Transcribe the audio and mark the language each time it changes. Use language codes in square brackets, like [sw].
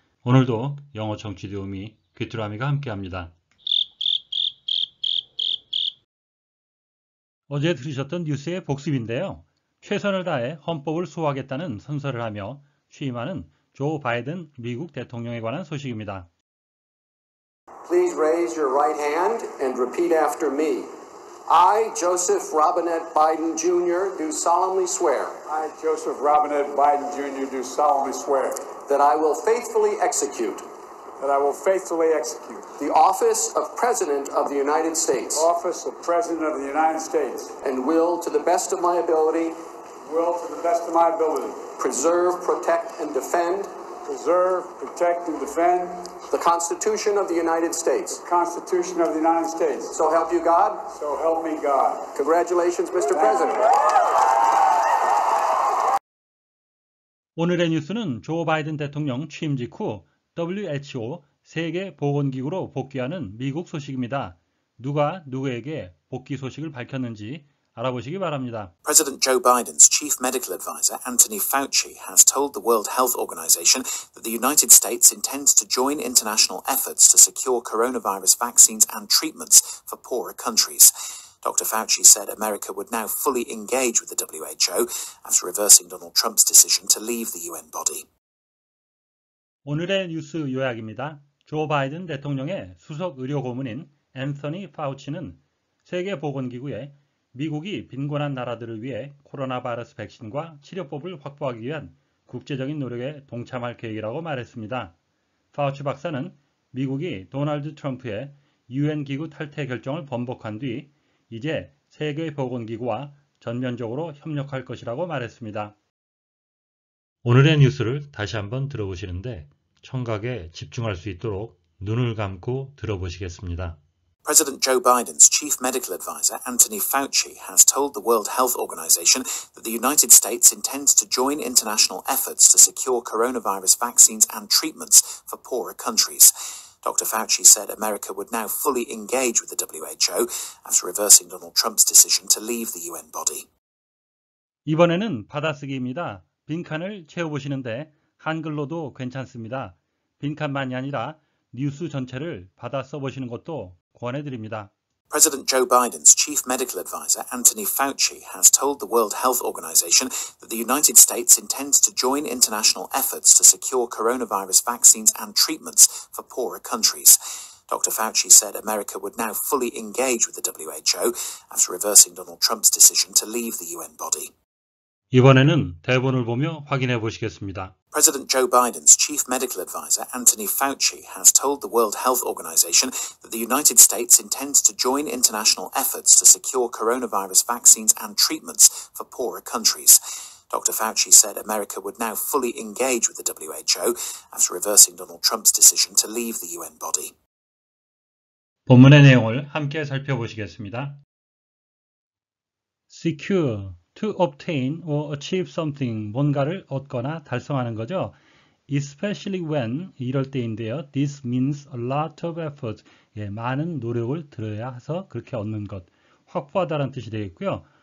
[ko] 오늘도 영어 청취 도우미 귀뚜라미가 함께합니다. 어제 들으셨던 뉴스의 복습인데요. 최선을 다해 헌법을 수호하겠다는 선서를 하며 취임하는 조 바이든 미국 대통령에 관한 소식입니다. [en] Please raise your right hand and repeat after me. I, Joseph Robinette Biden Jr., do solemnly swear. I, Joseph Robinette Biden Jr., do solemnly swear. That I will faithfully execute. That I will faithfully execute. The office of President of the United States. Office of President of the United States. And will, to the best of my ability. Will, to the best of my ability. Preserve, protect, and defend. Preserve, protect, and defend. The Constitution of the United States. The Constitution of the United States. So help you God. So help me God. Congratulations, Mr. President. [ko] 오늘의 뉴스는 조 바이든 대통령 취임 직후 WHO 세계보건기구로 복귀하는 미국 소식입니다. 누가 누구에게 복귀 소식을 밝혔는지 알아보시기 바랍니다. [en] President Joe Biden's chief medical advisor, Anthony Fauci, has told the World Health Organization that the United States intends to join international efforts to secure coronavirus vaccines and treatments for poorer countries. Dr. Fauci said America would now fully engage with the WHO after reversing Donald Trump's decision to leave the UN body. [ko] 오늘의 뉴스 요약입니다. 조 바이든 대통령의 수석 의료 고문인 앤서니 파우치는 세계보건기구에 미국이 빈곤한 나라들을 위해 코로나 바이러스 백신과 치료법을 확보하기 위한 국제적인 노력에 동참할 계획이라고 말했습니다. 파우치 박사는 미국이 도널드 트럼프의 UN 기구 탈퇴 결정을 번복한 뒤 이제 세계보건기구와 전면적으로 협력할 것이라고 말했습니다. 오늘의 뉴스를 다시 한번 들어보시는데 청각에 집중할 수 있도록 눈을 감고 들어보시겠습니다. [en] President Joe Biden's chief medical advisor, Anthony Fauci, has told the World Health Organization that the United States intends to join international efforts to secure coronavirus vaccines and treatments for poorer countries. Dr. Fauci said America would now fully engage with the WHO after reversing Donald Trump's decision to leave the UN body. [ko] 이번에는 받아쓰기입니다. 빈칸을 채워보시는데 한글로도 괜찮습니다. 빈칸만이 아니라 뉴스 전체를 받아 써보시는 것도 권해드립니다. [en] President Joe Biden's chief medical advisor, Anthony Fauci, has told the World Health Organization that the United States intends to join international efforts to secure coronavirus vaccines and treatments for poorer countries. Dr. Fauci said America would now fully engage with the WHO after reversing Donald Trump's decision to leave the UN body. [ko] 이번에는 대본을 보며 확인해 보시겠습니다. [en] President Joe Biden's chief medical advisor, Anthony Fauci, has told the World Health Organization that the United States intends to join international efforts to secure coronavirus vaccines and treatments for poorer countries. Dr. Fauci said America would now fully engage with the WHO after reversing Donald Trump's decision to leave the UN body. [ko] 본문의 내용을 함께 살펴보시겠습니다. [en] Secure. To obtain or achieve something, [ko] 뭔가를 얻거나 달성하는 거죠. [en] Especially when, [ko] 이럴 때인데요. [en] This means a lot of effort, [ko] 예, 많은 노력을 들어야 해서 그렇게 얻는 것, 확보하다라는 뜻이 되겠고요.